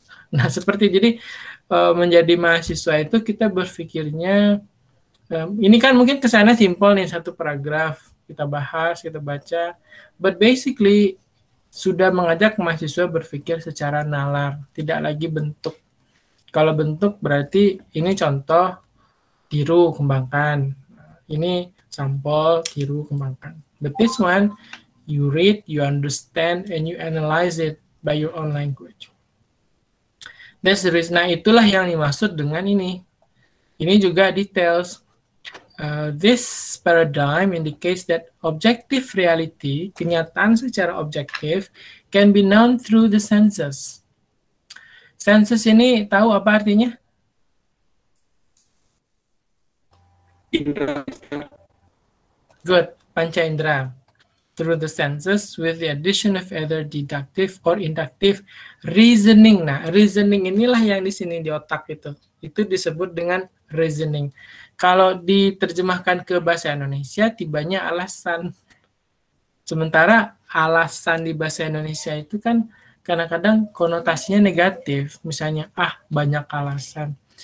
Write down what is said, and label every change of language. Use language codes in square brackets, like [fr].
[id] Nah, seperti jadi menjadi mahasiswa itu kita berpikirnya, ini kan mungkin kesannya simpel nih, satu paragraf kita bahas, kita baca, [en] but basically [id] sudah mengajak mahasiswa berpikir secara nalar, tidak lagi bentuk. Kalau bentuk berarti ini contoh, tiru, kembangkan. Ini sampel, tiru, kembangkan. [en] But this one, you read, you understand, and you analyze it by your own language. That's the reason. [id] Nah, itulah yang dimaksud dengan ini. Ini juga details. [en] This paradigm indicates that objective reality, [id] kenyataan secara objektif, [en] can be known through the senses. [id] Senses ini tahu apa artinya? Good, panca indera. [en] Through the senses with the addition of either deductive or inductive reasoning. [id] Nah, reasoning inilah yang di sini di otak itu. Itu disebut dengan reasoning. Kalau diterjemahkan ke bahasa Indonesia, tibanya alasan. Sementara alasan di bahasa Indonesia itu kan kadang-kadang konotasinya negatif. Misalnya, ah, banyak alasan.